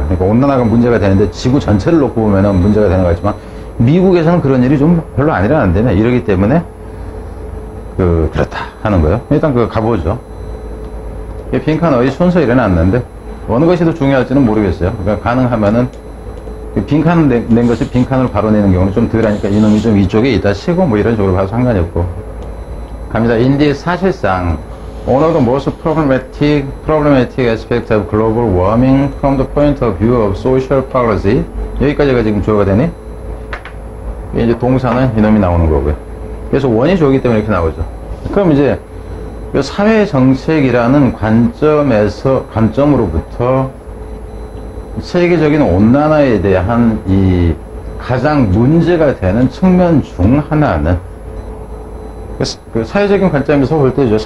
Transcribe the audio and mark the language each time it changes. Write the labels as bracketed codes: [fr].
[ko] 그러니까 온난화가 문제가 되는데 지구 전체를 놓고 보면은 문제가 되는 것 같지만 미국에서는 그런 일이 좀 별로 안 일어난다며 이러기 때문에 그렇다 하는 거예요. 일단 그거 가보죠. 빈칸 어디 순서 일어났는데 어느 것이 더 중요할지는 모르겠어요. 그러니까 가능하면은 빈칸 낸 것이 빈칸을 바로 내는 경우는 좀 덜하니까 이놈이 좀 이쪽에 있다 치고 뭐 이런 식으로 봐도 상관이 없고 갑니다. 인디 사실상 [en] One of the most problematic aspects of global warming from the point of view of social policy. [ko] 여기까지가 지금 주어가 되네. 이제 동사는 이놈이 나오는 거고요. 그래서 원이 주어기 때문에 이렇게 나오죠. 그럼 이제 사회정책이라는 관점으로부터 세계적인 온난화에 대한 이 가장 문제가 되는 측면 중 하나는 사회적인 관점에서 볼 때죠.